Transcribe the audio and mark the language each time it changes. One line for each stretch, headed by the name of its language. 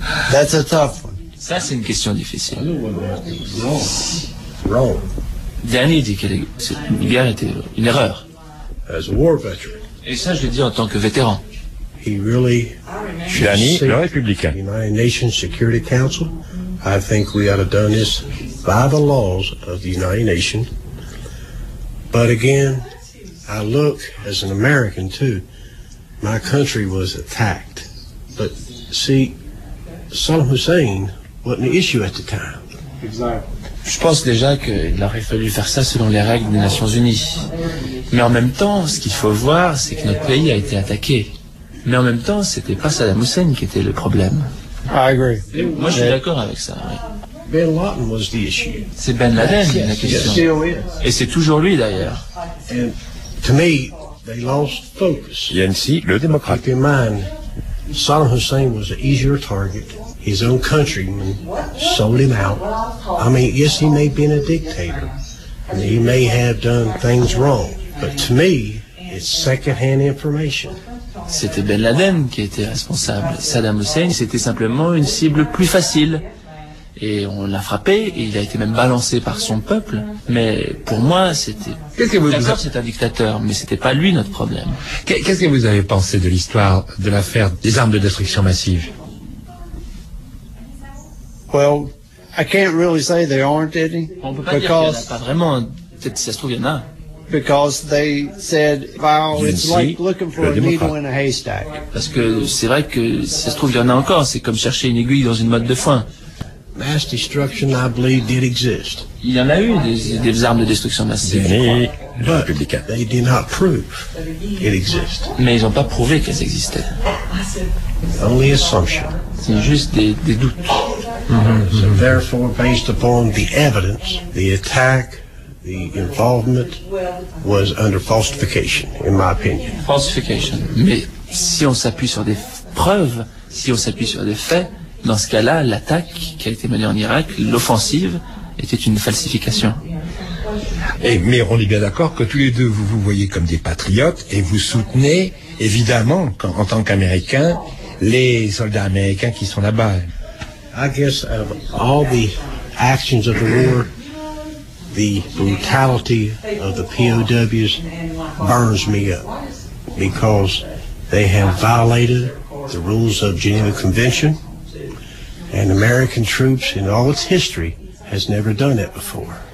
English: That's a tough one.
French: Ça, c'est une question difficile.
English: Wrong.
French: Danny dit que cette guerre était une erreur.
English: As a war veteran.
French: Et ça, je le dis en tant que vétéran.
English: He really
French: Danny, le républicain.
English: The United Nations Security Council. I think we ought to done this by the laws of the United Nations. But again, I look as an American too. My country was attacked. But see, Saddam Hussein wasn't the issue at the time. Exactly.
French: Je pense déjà qu'il aurait fallu faire ça selon les règles des Nations Unies. Mais en même temps, ce qu'il faut voir, c'est que notre pays a été attaqué. Mais en même temps, c'était pas Saddam Hussein qui était le problème.
English: I agree.
French: Moi, je suis d'accord avec ça. Oui.
English: Bin Laden was the issue.
French: C'est Ben Laden la question.
English: Yes.
French: Et c'est toujours lui d'ailleurs.
English: And to me, they lost focus.
French: Yancy, le démocrate.
English: Keep in mind, Saddam Hussein was an easier target. His own countrymen sold him out. I mean, yes, he may have been a dictator, and he may have done things wrong. But to me, it's second-hand information.
French: C'était Ben Laden qui était responsable. Saddam Hussein, c'était simplement une cible plus facile. Et on l'a frappé, et il a été même balancé par son peuple. Mais pour moi, c'était... Qu'est-ce que vous... D'accord, c'est un dictateur, mais c'était pas lui notre problème. Qu'est-ce que vous avez pensé de l'histoire de l'affaire des armes de destruction massive?
English: Well, I can't really say there aren't any.
French: On peut pas dire qu'il n'y en a pas vraiment. Peut-être si ça se trouve, il y en a.
English: Because they said, "Well, it's like looking for a needle in a haystack."
French: Parce que c'est vrai que si ça se trouve, il y en a encore. C'est comme chercher une aiguille dans une motte de foin.
English: Mass destruction, I believe, did exist.
French: Il y en a eu des armes de destruction massive. Républicains.
English: They did not prove it exists.
French: Mais ils n'ont pas prouvé qu'elles existaient.
English: Only assumption.
French: C'est juste des doutes. Mm-hmm.
English: So therefore, based upon the evidence, the attack. The involvement was under falsification, in my opinion. Falsification.
French: Mais si on s'appuie sur des preuves, si on s'appuie sur des faits, dans ce cas-là, l'attaque qui a été menée en Irak, l'offensive, était une falsification. Mais on est bien d'accord que tous les deux, vous vous voyez comme des patriotes et vous soutenez, évidemment, en tant qu'Américains, les soldats américains qui sont là-bas.
English: I guess of all the actions of the war, the brutality of the POWs burns me up because they have violated the rules of Geneva Convention and American troops in all its history has never done that before.